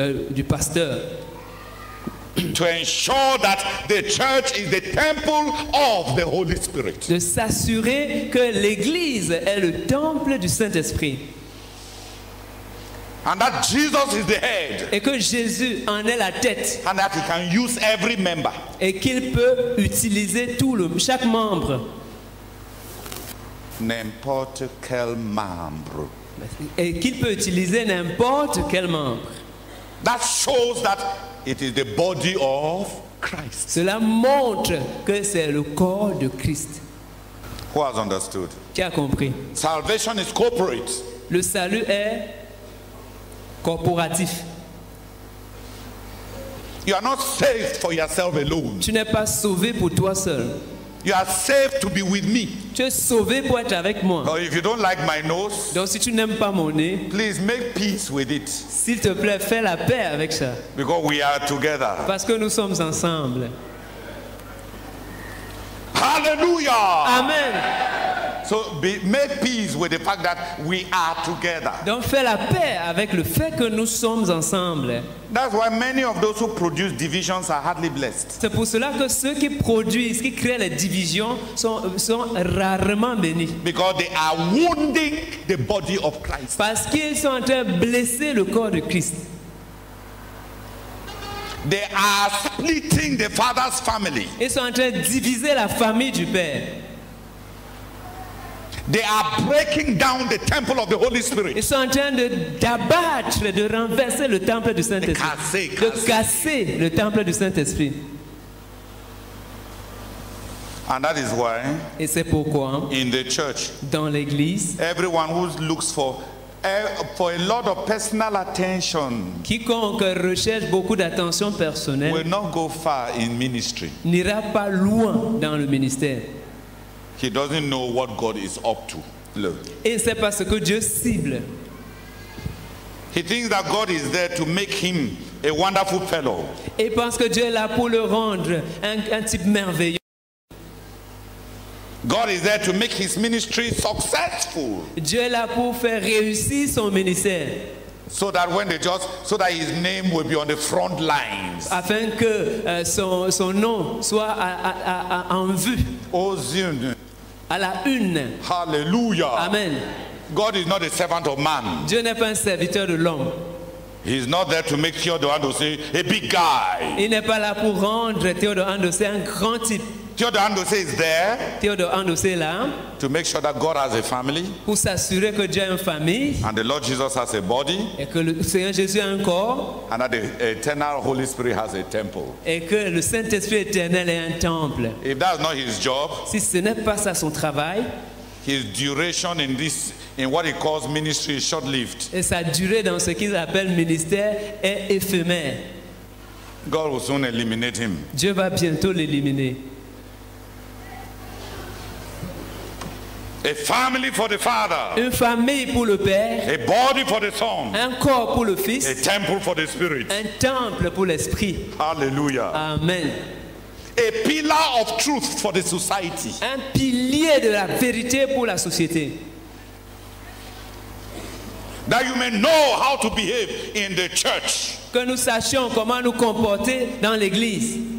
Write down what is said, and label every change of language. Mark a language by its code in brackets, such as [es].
[fr] Du pasteur. [en] To ensure that the church is the temple of the Holy Spirit. [fr] De s'assurer que l'église est le temple du Saint-Esprit. [en] And that Jesus is the head. [fr] Et que Jésus en est la tête. [en] And that he can use every member. [fr] Et qu'il peut utiliser tout le chaque membre. N'importe quel membre. Et qu'il peut utiliser n'importe quel membre. [en] That shows that it is the body of Christ. [fr] Cela montre que c'est le corps de Christ. [en] Who has understood? [fr] Qui a compris? [en] Salvation is corporate. [fr] Le salut est corporatif. [en] You are not saved for yourself alone. [fr] Tu n'es pas sauvé pour toi seul. [en] You are saved to be with me. [fr] Tu es sauvé pour être avec moi. [en] Or if you don't like my nose, [fr] donc si tu n'aimes pas mon nez, [en] please make peace with it. [fr] S'il te plaît, fais la paix avec ça. [en] Because we are together. [fr] Parce que nous sommes ensemble. Hallelujah. Amen. [en] So be, make peace with the fact that we are together. [fr] Donc fais la paix avec le fait que nous sommes ensemble. [en] That's why many of those who produce divisions are hardly blessed. [fr] C'est pour cela que ceux qui produisent, qui créent les divisions, sont rarement bénis. [en] Because they are wounding the body of Christ. [fr] Parce qu'ils sont en train de blesser le corps de Christ. [en] They are splitting the father's family. [fr] Ils sont en train de diviser la famille du père. [en] They are breaking down the temple of the Holy Spirit. [fr] Ils sont en train de d'abattre, de renverser le temple du Saint-Esprit. De casser le temple du Saint-Esprit. [en] And that is why. [fr] Et c'est pourquoi. [en] In the church. [fr] Dans l'église. [en] Everyone who looks for a lot of personal attention. [fr] Quiconque recherche beaucoup d'attention personnelle. [en] Will not go far in ministry. [fr] N'ira pas loin dans le ministère. [en] He doesn't know what God is up to. Look. [fr] Et c'est parce que Dieu cible. [en] He thinks that God is there to make him a wonderful fellow. [fr] Et pense que Dieu est là pour le rendre un type merveilleux. [en] God is there to make his ministry successful. [fr] Dieu est là pour faire réussir son ministère. [en] So that when they just, so that his name will be on the front lines. [fr] Afin que son nom soit en vue. Aux unes. À la une. Hallelujah. Amen. [en] God is not a servant of man. [fr] Dieu n'est pas un serviteur de l'homme. [en] He's not there to make Theodore Andose a big guy. [fr] Il n'est pas là pour rendre Theodore Andose un grand type. [en] Theodore Andose is there. [fr] Theodore Andose là. [en] To make sure that God has a family. [fr] Pour s'assurer que Dieu a une famille. [en] And the Lord Jesus has a body. [fr] Et que le Seigneur Jésus a un corps. [en] And that the eternal Holy Spirit has a temple. [fr] Et que le Saint-Esprit éternel est un temple. [en] If that's not his job. [fr] Si ce n'est pas ça son travail. [en] His duration in this, in what he calls ministry, is short-lived. [fr] Et sa durée dans ce qu'il appelle ministère est éphémère. [en] God will soon eliminate him. [fr] Dieu va bientôt l'éliminer. [en] A family for the father. [fr] Une famille pour le père. [en] A body for the son. [fr] Un corps pour le fils. [en] A temple for the spirit. [fr] Un temple pour l'esprit. Hallelujah. Amen. [en] A pillar of truth for the society. [fr] Un pilier de la vérité pour la société. [en] That you may know how to behave in the church. [fr] Que nous sachions comment nous comporter dans l'église.